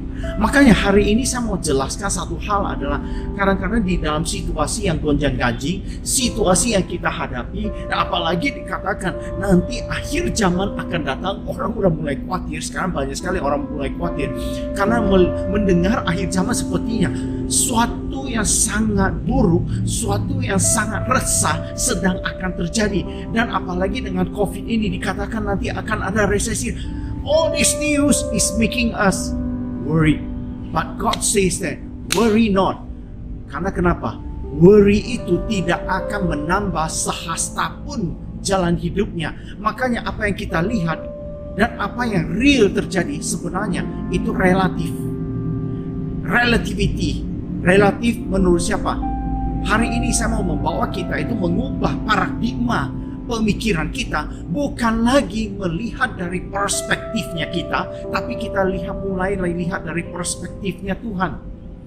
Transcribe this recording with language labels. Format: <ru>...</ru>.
<id>Makanya hari ini saya mau jelaskan satu hal adalah, kadang-kadang di dalam situasi yang gonjang-ganjing, situasi yang kita hadapi, apalagi dikatakan nanti akhir zaman akan datang, orang sudah mulai khawatir. Sekarang banyak sekali orang mulai khawatir karena mendengar akhir zaman sepertinya suatu yang sangat buruk, suatu yang sangat resah sedang akan terjadi. Dan apalagi dengan COVID ini dikatakan nanti akan ada resesi.</id> <en>All this news is making us worry, but God says that worry not.</en> <id>Karena kenapa? Worry itu tidak akan menambah sehasta pun jalan hidupnya. Makanya apa yang kita lihat dan apa yang real terjadi sebenarnya itu relatif. Relativity, relatif menurut siapa? Hari ini saya mau membawa kita itu mengubah paradigma pemikiran kita, bukan lagi melihat dari perspektifnya kita, tapi kita mulai lihat dari perspektifnya Tuhan.</id>